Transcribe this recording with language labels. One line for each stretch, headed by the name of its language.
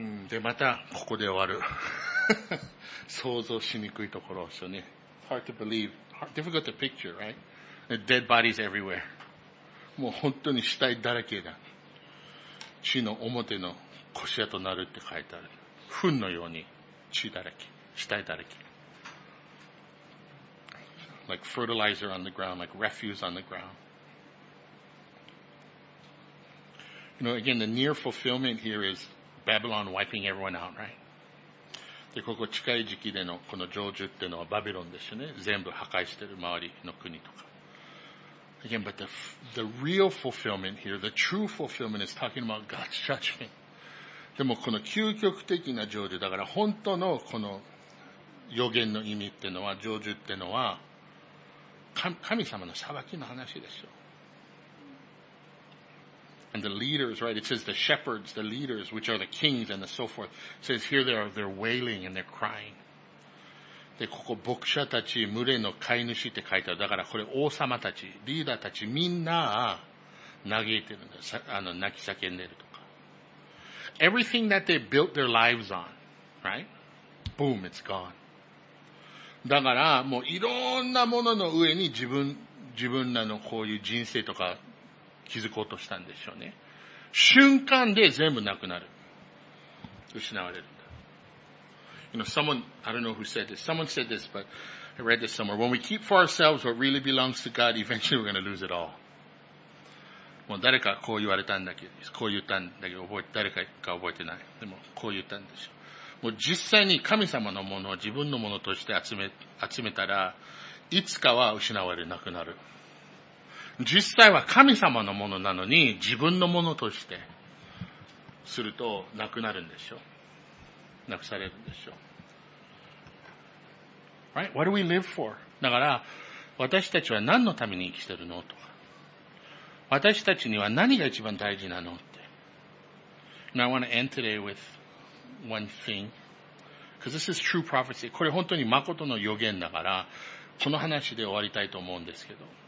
Japanese: で、またここで終わる。想像しにくいところですよね。
English: Hard to believe. Difficult to picture, right? Dead bodies everywhere.
Japanese: もう本当に死体だらけだ。地の表の腰屋となるって書いてある。糞のように血だらけ。下いただき。
English: Like fertilizer on the ground, like refuse on the ground. You know, again, the near fulfillment here is Babylon wiping everyone out, right?
Japanese: で、ここ近い時期でのこの成就っていうのはバビロンですよね。全部破壊してる周りの国とか。
English: Again, but the real fulfillment here, the true fulfillment is talking about God's judgment.
Japanese: でもこの究極的な成就、だから本当のこの予言の意味っていうのは、成就っていうのは、神様の裁きの話ですよ。
English: And the leaders, right? It says the shepherds, the leaders, which are the kings and the so forth, says here they're wailing and they're crying.
Japanese: で、ここ、牧者たち、群れの飼い主って書いてある。だから、これ、王様たち、リーダーたち、みんな、嘆いてるんだ。泣き叫んでるとか。
English: Everything that they built their lives on, right? Boom, it's gone.
Japanese: だから、もう、いろんなものの上に自分らのこういう人生とか、気づこうとしたんでしょうね。瞬間で全部なくなる。失われるんだ。
English: You know, someone, I don't know who said this, someone said this, but I read this somewhere. When we keep for ourselves what really belongs to God, eventually we're going to lose it all.
Japanese: もう誰かこう言われたんだけど、こう言ったんだけど、誰かが覚えてない。でも、こう言ったんでしょう。もう実際に神様のものを自分のものとして集めたら、いつかは失われなくなる。実際は神様のものなのに自分のものとしてするとなくなるんでしょう。なくされるんでしょう。
English: Right? What do we live for?
Japanese: だから私たちは何のために生きてるのとか。私たちには何が一番大事なのって。
English: Now I want to end today with one thing. Because this is true prophecy.
Japanese: これ本当に誠の予言だから、この話で終わりたいと思うんですけど。